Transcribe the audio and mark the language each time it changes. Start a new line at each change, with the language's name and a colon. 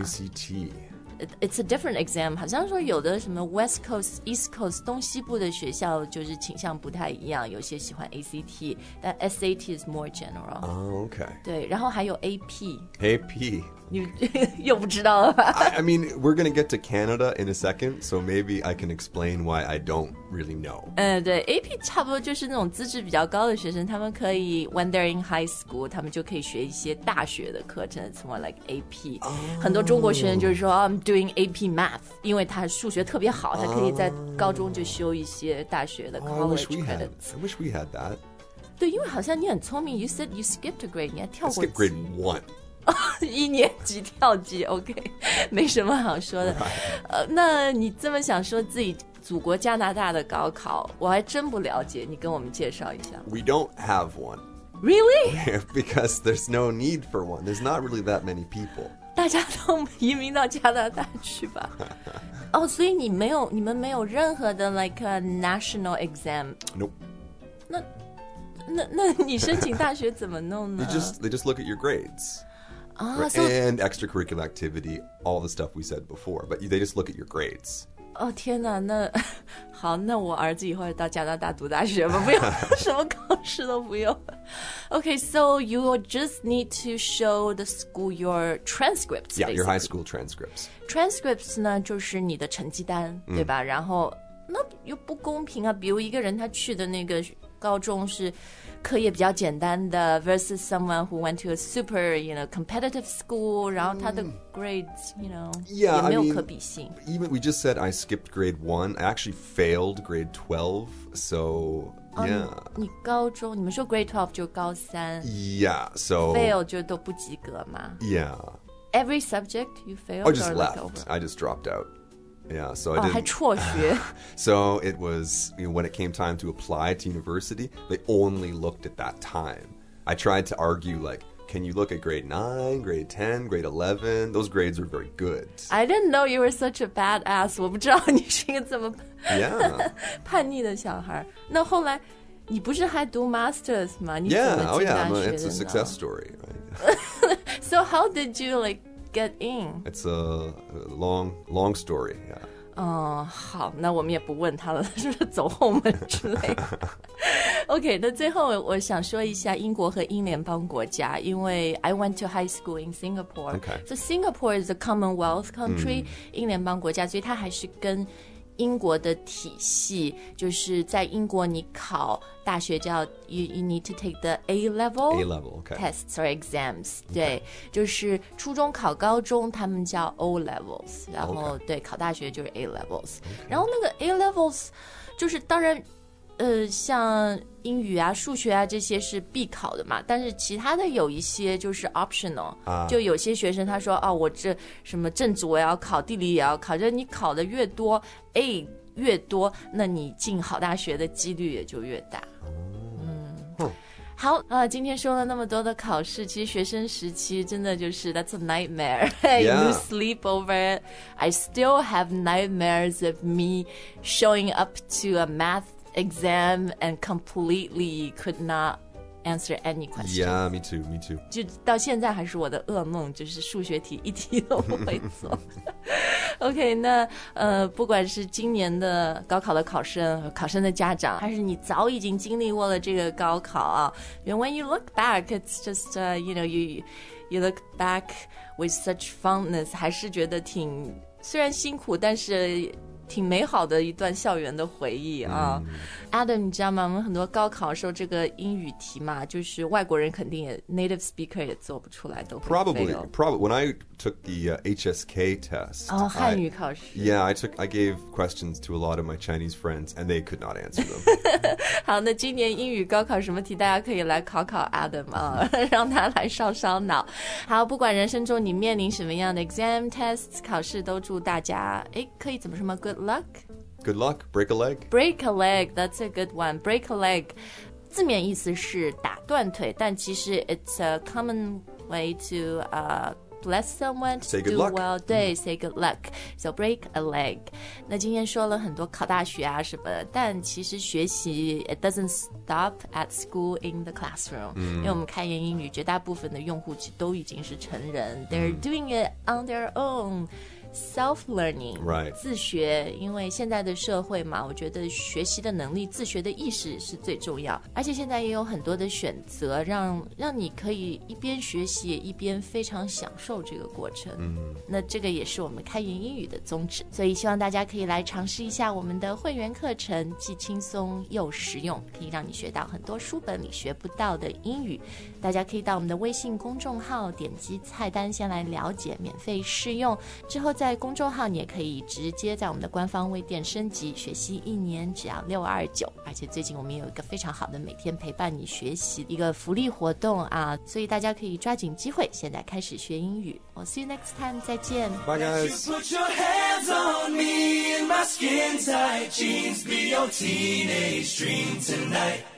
English: ACT. It's a different exam.
Chinese: 好像说有的什么 West Coast, East Coast, 东西部的学校就是倾向不太一样，有些喜欢 ACT, 但
English: SAT is more general. Oh, okay.
Chinese: 对，然后还有 AP.
English: AP.
Chinese: 你又不知道了吧
English: I mean, we're going to get to Canada in a second, so maybe I can explain why I don't really know.
Chinese: 对 ,AP 差不多就是那种资质比较高的学生，他们可以
English: when they're in high school,
Chinese: 他们就可以学一些大学的课程
English: It's more like AP.、
Chinese: 很多中国学生就是说、
English: I'm doing AP math,
Chinese: 因为他数学特别好，他可以在高中就修一些大学的
English: college credits. I wish we had that.
Chinese: 对，因为好像你很聪明
English: you said you skipped a grade,
Chinese: 你还跳过
English: I skipped grade one.
Chinese: 一年级跳级 OK 没什么好说的、那你这么想说自己祖国加拿大的高考我还真不了解你跟我们介绍一下
English: We don't have one Really? Because there's no need for one There's not really that many people
Chinese: 大家都移民到加拿大去吧哦，所以你们没有任何的
English: like a national exam Nope
Chinese: 那你申请大学怎么弄呢
English: They just look at your gradesand extracurricular activity, all the stuff we said before. But they just look at your grades.
Chinese: Oh, 天哪，那好，那我儿子以后到加拿大读大学吧，不用什么考试都不用。
English: Okay, so you just need to show the school your transcripts. Yeah, your high school transcripts.
Chinese: Transcripts 呢，就是你的成绩单，对吧？然后那又不公平啊，比如一个人他去的那个高中是。课业比较简单的
English: versus someone who went to a super, you know, competitive school,
Chinese: 然后他的
English: grades, you know, yeah,
Chinese: 也没有可比性
English: I mean, even we just said I skipped grade 1, I actually failed grade 12, so Yeah.
Chinese: 你高中，你们说 grade 12就高三。
English: Yeah, so... Fail 就都不及格吗？ Yeah. Every subject you failed or left? Or left over? I just dropped out. Yeah, so I didn't...
Chinese: 还辍学。
English: So it was, you know, when it came time to apply to university, they only looked at that time. I tried to argue, like,Can you look at grade 9, grade 10, grade 11? Those grades are very good. I didn't know you were such a badass.
Chinese: 我不知道你是一个这么、
English: yeah.
Chinese: 叛逆的小孩。那后来你不是还读 master's 吗？你怎么进大学的呢？
English: Yeah, oh yeah, it's a success story. Right? So how did you like get in? It's a long, long story, yeah.
Chinese: 好，那我们也不问他了，是不是走后门之类的？OK， 那最后我想说一下英国和英联邦国家，因为
English: I went to high school in Singapore. Okay. So Singapore is a Commonwealth country,、mm.
Chinese: 英联邦国家，所以它还是跟英国的体系，就是在英国你考大学叫
English: you need to take the A-level、 okay. tests or exams.
Chinese: 对、
English: okay.
Chinese: 就是初中考高中他们叫 O-levels, 然后、
English: okay.
Chinese: 对考大学就是 A-levels.、
English: Okay.
Chinese: 然后那个 A-levels 就是当然像英语啊数学啊这些是必考的嘛，但是其他的有一些就是 optional、就有些学生他说哦，我这什么政治我要考，地理也要考，就是你考的越多 A 越多，那你进好大学的几率也就越大。嗯，好啊、今天说了那么多的考试，其实学生时期真的就是
English: That's a nightmare、 yeah. You sleep over it. I still have nightmares of me showing up to a mathexam and completely could not answer any questions. Yeah, me too.
Chinese: 就到现在还是我的噩梦，就是数学题一题都不会做。 OK, 那不管是今年的高考的考生、考生的家长，还是你早已经经历过了这个高考啊，
English: when you look back, it's just, you know, you look back with such fondness,
Chinese: 还是觉得挺虽然辛苦，但是挺美好的一段校园的回忆啊、Adam, 你知道吗？我们很多高考时候这个英语题嘛，就是外国人肯定也 native speaker 也做不出来，都会
English: Probably. When I took the HSK test,
Chinese: 哦、oh, ，汉语考试。
English: Yeah, I gave questions to a lot of my Chinese friends, and they could not answer them.
Chinese: 好，那今年英语高考什么题，大家可以来考考 Adam 啊，让他来烧烧脑。好，不管人生中你面临什么样的 exam tests 考试，都祝大家哎，可以怎么什么？
English: Good luck. Good luck. Break a leg. Break a leg. That's a good one. Break a leg.
Chinese: 字面意思是打断腿，但其实
English: it's a common way to bless someone. Say good luck. Well,
Chinese: 对、
English: mm. say good luck. So break a leg.
Chinese: 那今天说了很多考大学啊什么的，但其实学习
English: it doesn't stop at school in the classroom.、 Mm.
Chinese: 因为我们开言英语绝大部分的用户都已经是成人、mm.
English: They're doing it on their own. Self-learning, right.
Chinese: 自学，因为现在的社会嘛，我觉得学习的能力、自学的意识是最重要。而且现在也有很多的选择，让你可以一边学习，一边非常享受这个过程。嗯、mm. ，那这个也是我们开言英语的宗旨，所以希望大家可以来尝试一下我们的会员课程，既轻松又实用，可以让你学到很多书本里学不到的英语。大家可以到我们的微信公众号，点击菜单先来了解免费试用，之后。在公众号你也可以直接在我们的官方微店升级学习一年只要629，而且最近我们有一个非常好的每天陪伴你学习一个福利活动啊，所以大家可以抓紧机会现在开始学英语。
English: We'll see you next time.
Chinese: 再见。
English: Bye guys. Put your hands on me in my skin tight jeans. Be your teenage dream tonight.